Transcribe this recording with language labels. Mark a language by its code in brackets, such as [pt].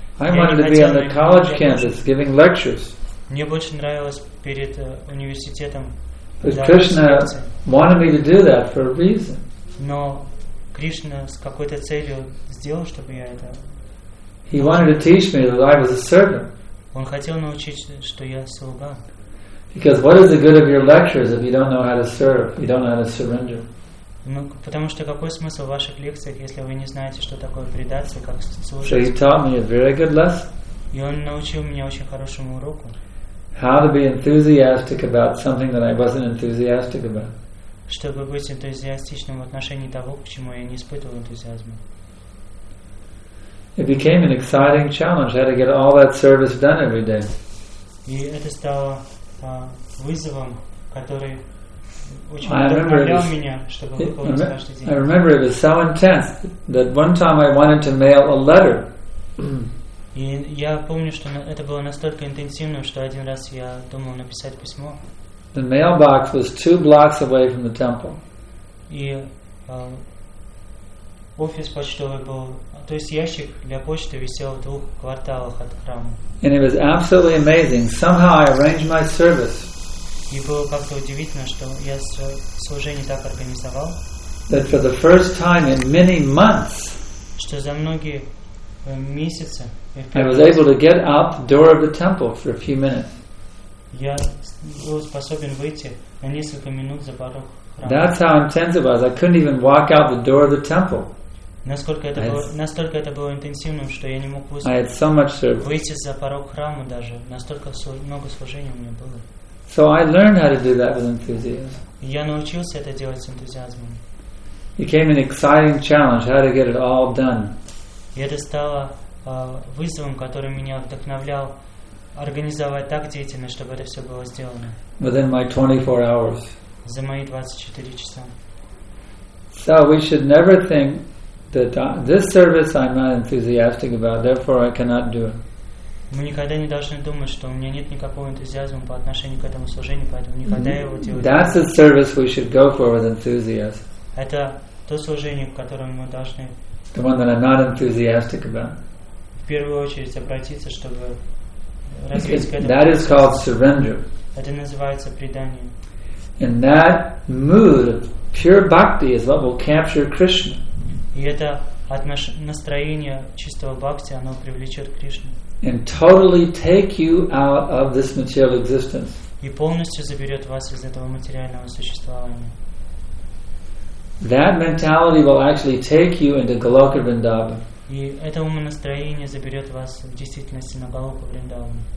[en] I wanted to be on the college campus giving lectures. [ru] Мне больше нравилось перед университетом. [en] But Krishna wanted me to do that for a reason. [ru] Но Кришна с какой-то целью сделал, чтобы я это. [en] He wanted to teach me that I was a servant. [ru] Он хотел научить, что я слуга. [en] Because what is the good of your lectures if you don't know how to serve, you don't know how to surrender? [ru] Ну, потому что какой смысл в ваших лекциях, если вы не знаете, что такое предаться, как служить? [en] So he taught me a very good lesson. [ru] И он научил меня очень хорошему уроку. [en] How to be enthusiastic about something that I wasn't enthusiastic about. [ru] Чтобы быть энтузиастичным в отношении того, к чему я не испытывал энтузиазма. [en] It became an exciting challenge. I had to get all that service done every day. [ru] И это стало вызовом, который. [en] I remember it was so intense that one time I wanted to mail a letter. [ru] И я помню, что это было настолько интенсивно, что один раз я думал написать письмо. [en] The mailbox was two blocks away from the temple. [ru] И офис почтовый был, то есть ящик для почты висел в двух кварталах от храма. [en] And it was absolutely amazing. Somehow I arranged my service. [ru] И было как-то удивительно, что я служение так организовал. [en] That for the first time in many months, [ru] что за многие месяцы, [en] I was able to get out the door of the temple for a few minutes. [ru] Я был способен выйти на несколько минут за порог храма. [en] That's how intense it was. I couldn't even walk out the door of the temple. [ru] Настолько это было интенсивным, что я не мог выйти. [en] I had so much service. [ru] Выйти за порог храма даже. Настолько много служения у меня было. [en] So I learned how to do that with enthusiasm. [ru] Я научился это делать с энтузиазмом. [en] It came an exciting challenge, how to get it all done. [ru] И это стало вызовом, который меня вдохновлял организовать так деятельность, чтобы это все было сделано. [en] Within my 24 hours. [ru] За мои 24 часа. [en] So we should never think that this service I'm not enthusiastic about, therefore I cannot do it. [ru] Мы никогда не должны думать, что у меня нет никакого энтузиазма по отношению к этому служению, поэтому никогда я его делаю. [en] That's the service we should go for with enthusiasm. [ru] Это то служение, в котором мы должны. [en] The one that I'm not enthusiastic about. [ru] В первую очередь обратиться, чтобы развить к этому. [en] That is called surrender. [ru] Это называется предание. [en] And that mood of pure bhakti is what will capture Krishna. [ru] И это настроение чистого бхакти, оно привлечет Кришну. [en] And totally take you out of this material existence. [ru] И полностью заберет вас из этого материального существования. [en] That mentality will actually take you into Goloka Vrindavan. [ru] И это умонастроение заберет вас в действительности на Голоку Вриндаван.